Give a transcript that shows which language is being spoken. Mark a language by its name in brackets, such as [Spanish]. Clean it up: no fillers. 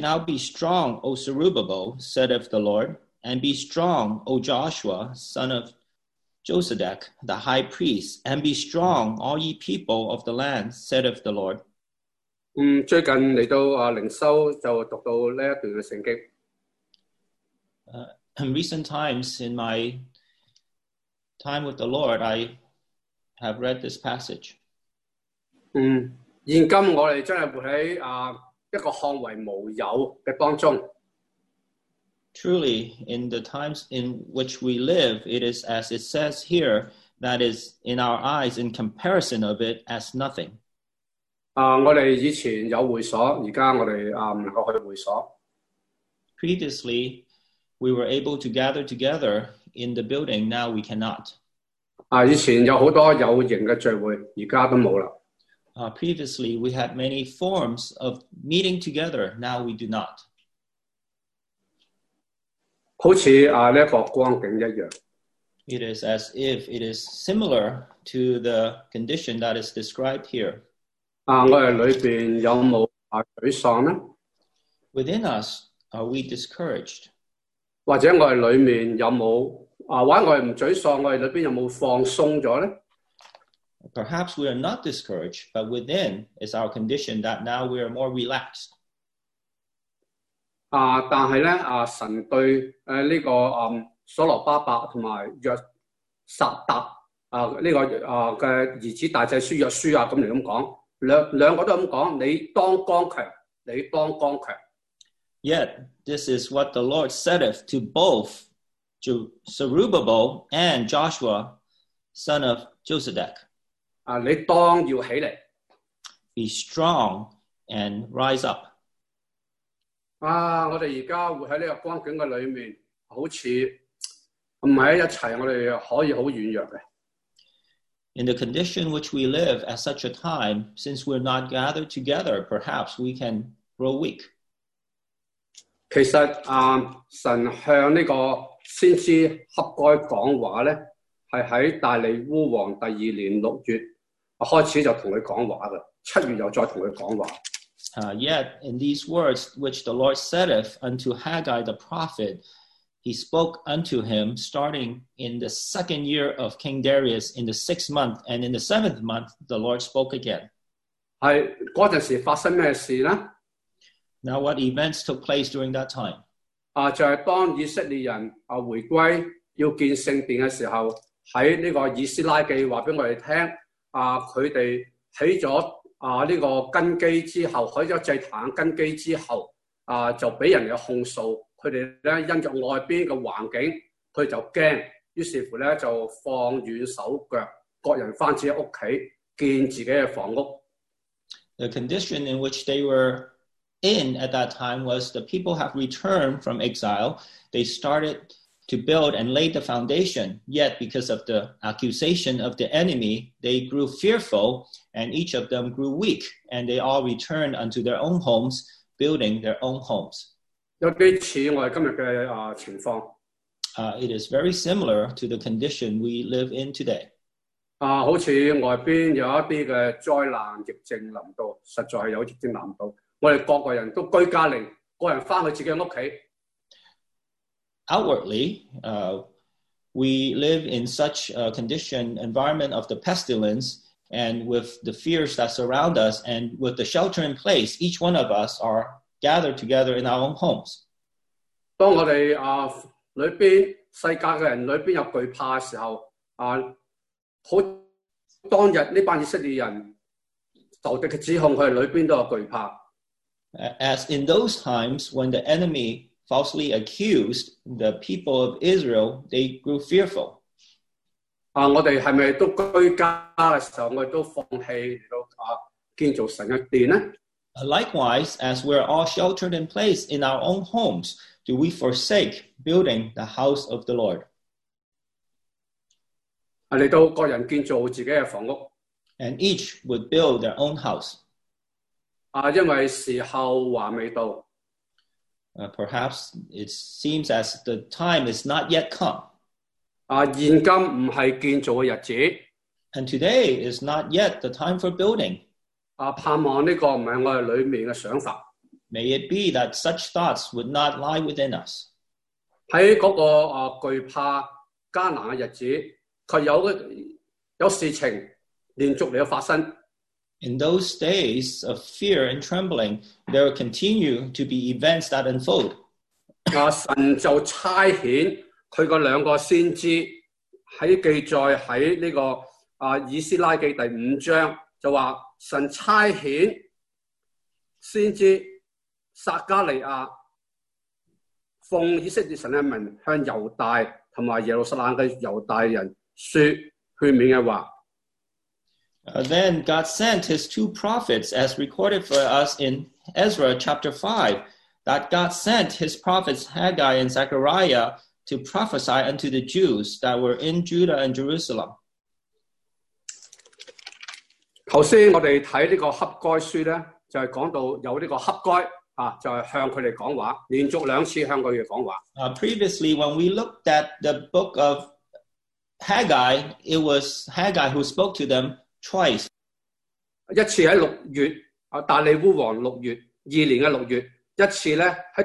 [English] now be strong, O Zerubbabel, said of the Lord, and be strong, O Joshua, son of Josedech, the high priest, and be strong, all ye people of the land, said of the Lord. [Chinese] 最近来到灵修就读到这一段的圣经。 [English] In recent times, in my time with the Lord, I have read this passage. [Chinese] 现今我们真的活在一个看为无有的当中。 [English] Truly, in the times in which we live, it is as it says here, that is, in our eyes, in comparison of it, as nothing. [Chinese] 我们以前有会所，现在我们不能够去会所。 [English] Previously, we were able to gather together in the building, now we cannot. [Chinese] 以前有很多有形的聚会，现在都没有了。 [English] Previously, we had many forms of meeting together, now we do not. [Chinese] 好似这个光景一样。 [English] It is as if it is similar to the condition that is described here. [Chinese] 我们里面有没有沮丧呢？ [English] Within us, are we discouraged? [Chinese] 或者我们里面有没有，或者我们不沮丧，我们里面有没有放松了呢？ [English] Perhaps we are not discouraged, but within is our condition that now we are more relaxed. [Chinese] 但是呢神对这个所罗巴伯和约撒达这个儿子大祭司约书亚这么说，两个都这么说，你当刚强，你当刚强。 [English] Yet, this is what the Lord said to both Zerubbabel and Joshua, son of Josedech. [Chinese] 你当要起来。 [English] Be strong and rise up. [Chinese] 我们现在活在这个光景的里面，好像不在一起，我们可以很软弱的。 [English] In the condition which we live at such a time, since we're not gathered together, perhaps we can grow weak. [Chinese] 其实神向这个先知哈该讲话呢，是在大利乌王第二年六月开始就跟他讲话的，七月又再跟他讲话。 [English] Yet, in these words which the Lord saideth unto Haggai the prophet, he spoke unto him starting in the second year of King Darius in the sixth month, and in the seventh month, the Lord spoke again. [Chinese] 是，那段时发生什么事呢？ [English] Now, what events took place during that time? [Chinese] 就是当以色列人回归要建圣殿的时候，在这个以斯拉记告诉我们听，他们起了这个根基之后，开了祭坛根基之后，就被人控诉，他们呢因着外边的环境，他们就害怕，于是乎呢就放软手脚，各人回自己屋企建自己的房屋。 [English] The condition in which they were in at that time was the people have returned from exile. They started to build and laid the foundation, yet because of the accusation of the enemy, they grew fearful, and each of them grew weak, and they all returned unto their own homes, building their own homes. [Chinese] 有点像我们今天的情况。 [English] It is very similar to the condition we live in today. [Chinese] 好像外边有一些的灾难疫症临到，实在有疫症临到，我们各个人都居家令，各人回去自己的家。 [English] Outwardly, we live in such a condition, environment of the pestilence, and with the fears that surround us, and with the shelter in place, each one of us are gathered together in our own homes. [Chinese] 当我们里边世界的人里边有惧怕的时候，好当日这帮以色列人仇敌的指控，他们里边都有惧怕。 [English] As in those times when the enemy falsely accused the people of Israel, they grew fearful. [Chinese] 我们是不是都居家的时候，我们都放弃建造神的殿呢？ [English] Likewise, as we're all sheltered in place in our own homes, do we forsake building the house of the Lord? [Chinese] 来到个人建造自己的房屋。 [English] And each would build their own house. [Chinese] 因为时候还未到。 [English] Perhaps it seems as the time is not yet come. [Chinese] 现今不是建造的日子。 [English] And today is not yet the time for building. [Chinese] 盼望这个不是我们里面的想法。 [English] May it be that such thoughts would not lie within us. [Chinese] 在那个惧怕艰难的日子，它有事情连续地发生。 [English] In those days of fear and trembling, there will continue to be events that unfold. [Chinese] 神就差遣他的两个先知, 记载在这个, 以斯拉记第五章, 就说, 神差遣先知, 撒加利亚, 奉以色列神的名, 向犹大, 和耶路撒冷的犹大人说, 劝勉的话, [English] Then God sent his two prophets, as recorded for us in Ezra chapter 5, that God sent his prophets Haggai and Zechariah to prophesy unto the Jews that were in Judah and Jerusalem. [Chinese] 刚才我们看这个《哈该书》呢, 就是讲到有这个《哈该》, 啊, 就是向他们讲话, 连续两次向他们讲话。 [English] Previously, when we looked at the book of Haggai, it was Haggai who spoke to them twice. [Chinese] 一次在六月, 大利乌王六月, 一次呢,